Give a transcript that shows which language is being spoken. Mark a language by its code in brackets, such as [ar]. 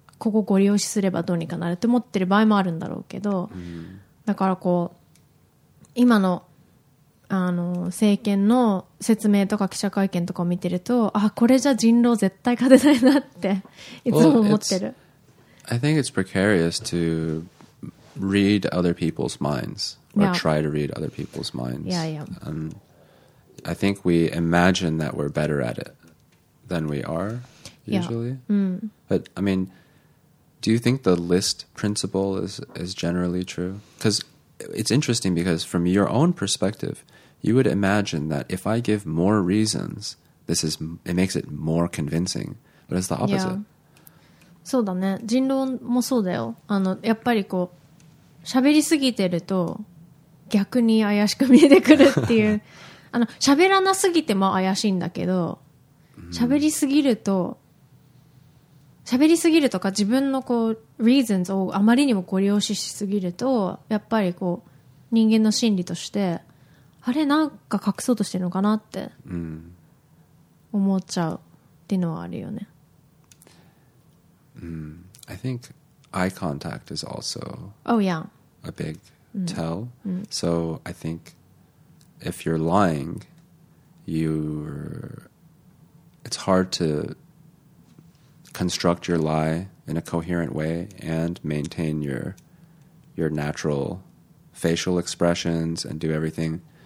[ja] ここご利用しすればどうにかなるって思ってる場合もあるんだろうけど、だからこう、今の、あの、政権の説明とか記者会見とかを見てると、あ、これじゃ人狼絶対勝てないなって、いつも思ってる。 [en] Well, I think it's precarious to read other people's minds, or try to read other people's minds. I think we imagine that we're better at it than we are, usually. But, I mean, do you think the list principle is generally true? Because it's interesting because from your own perspective,You would imagine that if I give more reasons, this is, it makes it more convincing. But it's the opposite. Yeah. [ja] そうだね。人狼もそうだよ。あの、やっぱりこう、喋りすぎてると逆に怪しく見えてくるっていう。あの、喋らなすぎても怪しいんだけど、喋りすぎると、喋りすぎるとか自分のこう、reasons をあまりにもご利用しすぎると、やっぱりこう、人間の心理として、あれなんか隠そうとしてるのかなって思っちゃうっていうのはあるよね。 [en] I think eye contact is also a big tell. So I think if you're lying, it's hard to construct your lie in a coherent way and maintain your natural facial expressions and do everything.